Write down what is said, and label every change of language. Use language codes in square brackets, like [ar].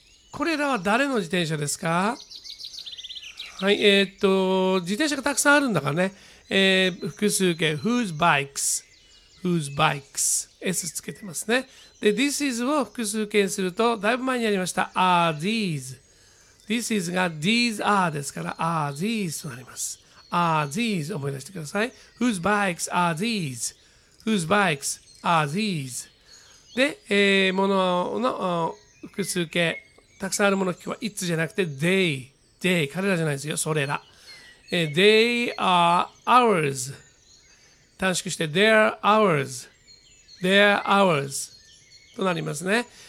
[ja] これらは誰の自転車ですか？はい、自転車がたくさんあるんだからね、複数形、 [en] Whose bikes? Whose bikes? S [ja] つけてますね。で、this is を複数形すると、だいぶ前にやりました。 [en] are these。 [ja] this is が these are ですから、are these となります。 are these 思い出してください。 [en] whose bikes are these?whose bikes are these? [ja] で、ものの複数形、たくさんあるものを聞くは、it's じゃなくて they。 [en] they。 [ja] 彼らじゃないですよ、それら。 [en] they are ours。 [ja] 短縮して [en] they're ours。 they're ours。 となりますね。